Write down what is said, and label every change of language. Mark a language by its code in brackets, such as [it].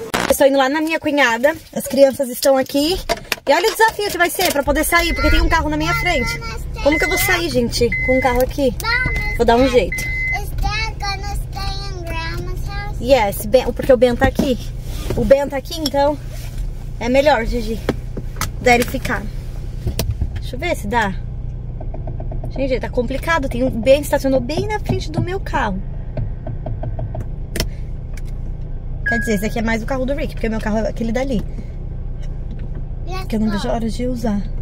[pt] Estou indo lá na minha cunhada, as crianças estão aqui e olha o desafio que vai ser pra poder sair, porque tem um carro na minha frente. Como que eu vou sair, gente, com o carro aqui? Vou dar um jeito. [en] Is Dad gonna stay in Grandma's house? [pt] Yes, porque o Ben tá aqui. O Ben tá aqui, então é melhor, Gigi, dele ficar. Deixa eu ver se dá. Gente, tá complicado. Tem um Ben estacionou bem na frente do meu carro. Quer dizer, esse aqui é mais o carro do Rick, porque meu carro é aquele dali. Que eu não vejo a hora de usar.